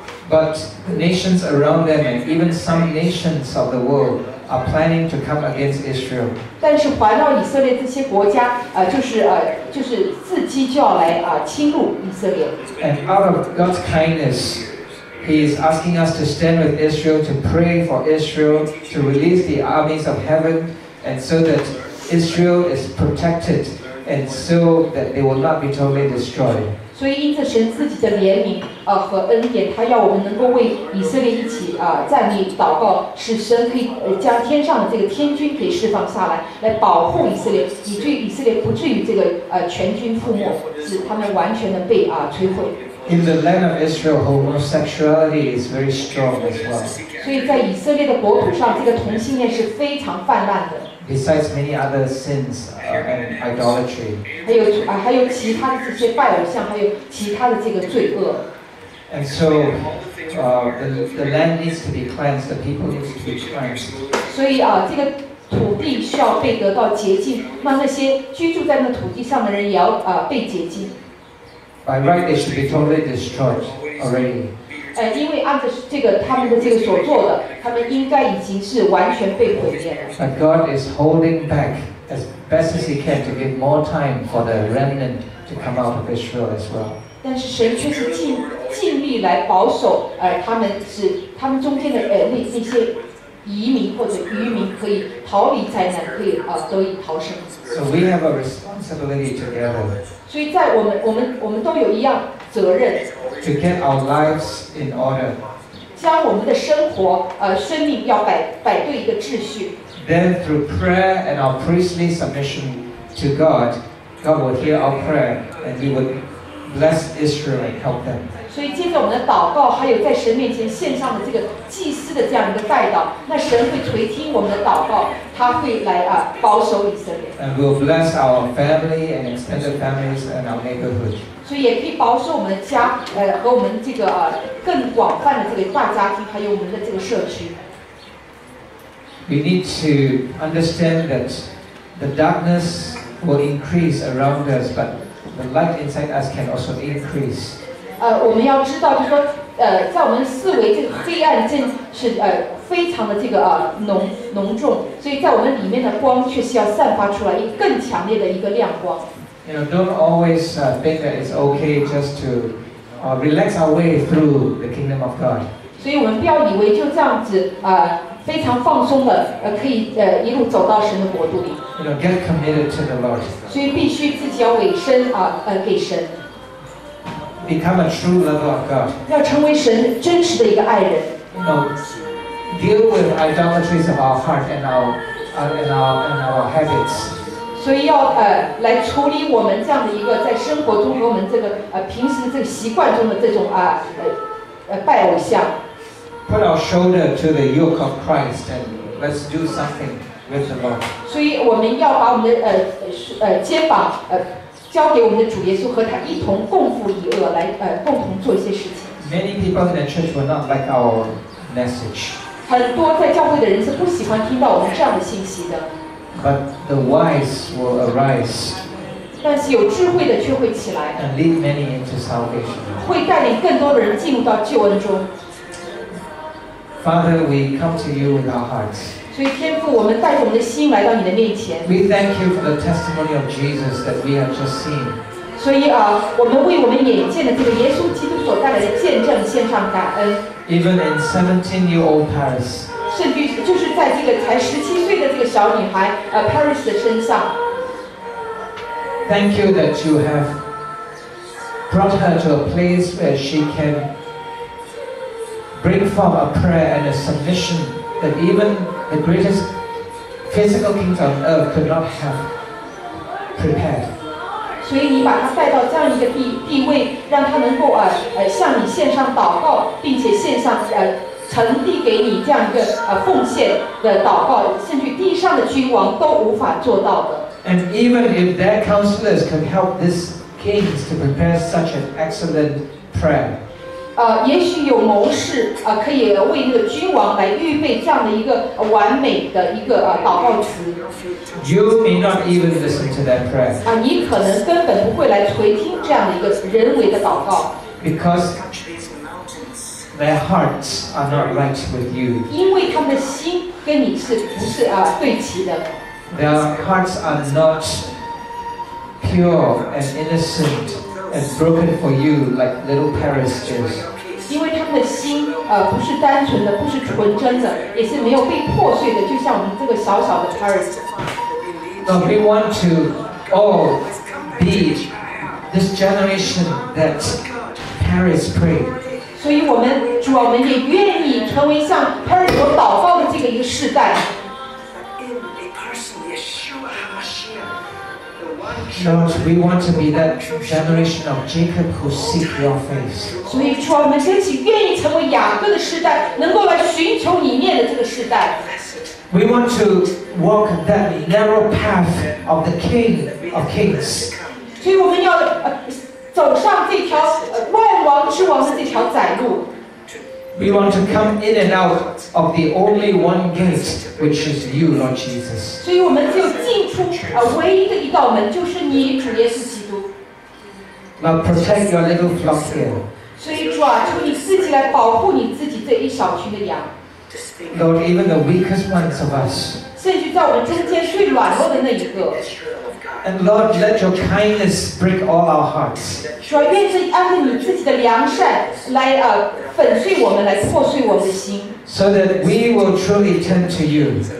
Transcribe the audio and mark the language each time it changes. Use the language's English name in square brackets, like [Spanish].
[English] But the nations around them and even some nations of the world are planning to come against Israel. [Chinese] 但是环绕以色列这些国家就是伺机就要来侵入以色列。 [English] And out of God's kindness, He is asking us to stand with Israel, to pray for Israel, to release the armies of heaven, and so that Israel is protected, and so that they will not be totally destroyed. [Chinese] 所以因着神自己的怜悯和恩典，他要我们能够为以色列一起站立祷告，使神可以将天上的这个天军可以释放下来，来保护以色列，以至于以色列不至于这个全军覆没，使他们完全的被摧毁。 [English] In the land of Israel, homosexuality is very strong as well. [Chinese] 所以在以色列的国土上，这个同性恋是非常泛滥的。 [English] Besides many other sins and idolatry, [Chinese] 还有其他的这些拜偶像，还有其他的这个罪恶。 [English] And so, the land needs to be cleansed. The people need to be cleansed. [Chinese] 所以这个土地需要被得到洁净。那些居住在那土地上的人也要被洁净。 [English] By right, they should be totally destroyed already. [Chinese] 因为按照这个他们的这个所做的，他们应该已经是完全被毁灭了。 [English] But God is holding back as best as He can to give more time for the remnant to come out of Israel as well. [Chinese] 但是神却是尽力来保守他们中间的那些移民或者渔民可以逃离灾难，可以得以逃生。 [English] So we have a responsibility together. [Chinese] 所以在我们都有一样责任。 [English] To get our lives in order. [Chinese] 将我们的生命要摆对一个秩序。 [English] Then through prayer and our priestly submission to God, God will hear our prayer and He will bless Israel and help them. [Chinese] 所以接着我们的祷告，还有在神面前献上的这个祭司的这样一个代祷，那神会垂听我们的祷告，他会来保守以色列。 [English] And we'll bless our family and extended families and our neighborhood. [Chinese] 所以也可以保守我们的家，和我们这个更广泛的这个大家庭，还有我们的这个社区。 [English] We need to understand that the darkness will increase around us, but the light inside us can also increase. [Chinese] 我们要知道，就是说，在我们四围这个黑暗正是非常的这个浓重，所以在我们里面的光却是要散发出来一个更强烈的一个亮光。 [English] You know, don't always think that it's okay just to relax our way through the kingdom of God. [Chinese] 所以我们不要以为就这样子非常放松的可以一路走到神的国度里。 [English] You know, get committed to the Lord. [Chinese] 所以必须自己要委身给神。 [English] Become a true lover of God. [Chinese] 要成为神真实的一个爱人。 [English] No, deal with idolatries of our heart and our habits. [Chinese] 所以要来处理我们这样的一个在生活中和我们这个平时这个习惯中的这种拜偶像。 [English] Put our shoulder to the yoke of Christ and let's do something with the Lord. [Chinese] 所以我们要把我们的肩膀交给我们的主耶稣，和他一同共赴以厄，来共同做一些事情。 [English] Many people in the church will not like our message. [Chinese] 很多在教会的人是不喜欢听到我们这样的信息的。 [English] But the wise will arise. [Chinese] 但是有智慧的却会起来。 [English] And lead many into salvation. [Chinese] 会带领更多的人进入到救恩中。 [English] Father, we come to you with our hearts. [Chinese] 所以天父，我们带着我们的心来到你的面前。 [English] We thank you for the testimony of Jesus that we have just seen. [Chinese] 所以啊，我们为我们眼见的这个耶稣基督所带来的见证献上感恩。 [English] Even in 17-year-old Paris， [Chinese] 甚至就是在这个才十七岁的这个小女孩Paris 的身上。 [English] Thank you that you have brought her to a place where she can bring forth a prayer and a submission that even the greatest physical kings on earth could not have prepared. [Chinese] 所以你把她带到这样一个 地位，让她能够向你献上祷告，并且献上呈递给你这样一个奉献的祷告，甚至地上的君王都无法做到的。 [English] And even if their counselors can help these kings to prepare such an excellent prayer. [Chinese] 也许有谋士可以为那个君王来预备这样的一个完美的一个祷告词。 [English] You may not even listen to that prayer. [Chinese] 你可能根本不会来垂听这样的一个人为的祷告。 [English] Because their hearts are not right with you. [Chinese] 因为他们的心跟你是不是对齐的。 [English] Their hearts are not pure and innocent and broken for you like little Paris is. [Chinese] 因为他们的心不是单纯的，不是纯真的，也是没有被破碎的，就像我们这个小小的 Paris. [English] So we want to all be this generation that Paris prayed. [Chinese] 所以我们主啊，我们也愿意成为像 Paris 所祷告的这个一个世代。 [English] Lord, we want to be that generation of Jacob who seek your face. [Chinese] 所以主啊，我们真是愿意成为雅各的世代，能够来寻求你面的这个世代。 [English] We want to walk that narrow path of the King of Kings. [Chinese] 所以我们要走上这条万王之王的这条窄路。 [English] We want to come in and out of the only one gate, which is you, Lord Jesus. [Chinese] 所以我们就进出唯一的一道门，就是你主耶稣基督。 [English] Now protect your little flock here. [Chinese] 所以主啊，求你自己来保护你自己这一小群的羊。 [English] Lord, even the weakest ones of us. [Chinese] 甚至在我们中间最软弱的那一个。 [English] And Lord, let your kindness break all our hearts. [Chinese] 主啊，愿这按着你自己的良善来粉碎我们，来破碎我们的心。 [English] So that we will truly turn to you.